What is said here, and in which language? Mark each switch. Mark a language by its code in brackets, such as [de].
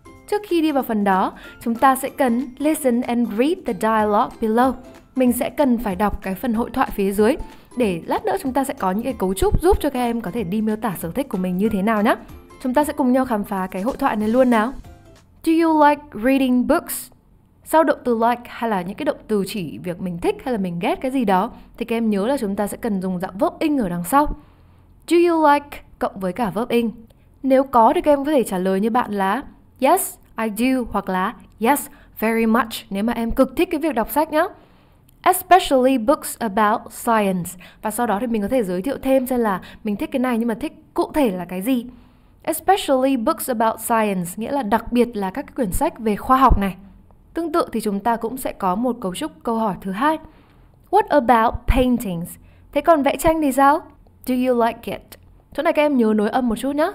[vi] Trước khi đi vào phần đó, chúng ta sẽ cần [en] listen and read the dialogue below. [vi] Mình sẽ cần phải đọc cái phần hội thoại phía dưới để lát nữa chúng ta sẽ có những cái cấu trúc giúp cho các em có thể đi miêu tả sở thích của mình như thế nào nhé. Chúng ta sẽ cùng nhau khám phá cái hội thoại này luôn nào. [en] Do you like reading books? [vi] Sau động từ like hay là những cái động từ chỉ việc mình thích hay là mình ghét cái gì đó thì các em nhớ là chúng ta sẽ cần dùng dạng verb ing ở đằng sau. [en] Do you like [vi] cộng với cả verb ing? Nếu có thì các em có thể trả lời như bạn là [en] Yes, I do [vi] hoặc là [en] Yes, very much [vi] nếu mà em cực thích cái việc đọc sách nhé. [en] Especially books about science. [vi] Và sau đó thì mình có thể giới thiệu thêm xem là mình thích cái này nhưng mà thích cụ thể là cái gì. [en] Especially books about science [vi] nghĩa là đặc biệt là các cái quyển sách về khoa học này. Tương tự thì chúng ta cũng sẽ có một cấu trúc câu hỏi thứ hai. [en] What about paintings? [vi] Thế còn vẽ tranh thì sao? [en] Do you like it? [vi] Chỗ này các em nhớ nối âm một chút nhé.